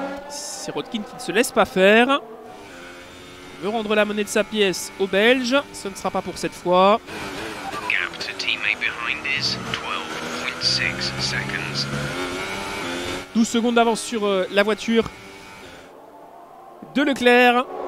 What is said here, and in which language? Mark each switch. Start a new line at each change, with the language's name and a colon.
French: Sirotkin qui ne se laisse pas faire. Il veut rendre la monnaie de sa pièce au Belge. Ce ne sera pas pour cette fois.
English: Gap to teammate behind is 12.6 seconds.
French: 12 secondes d'avance sur la voiture de Leclerc.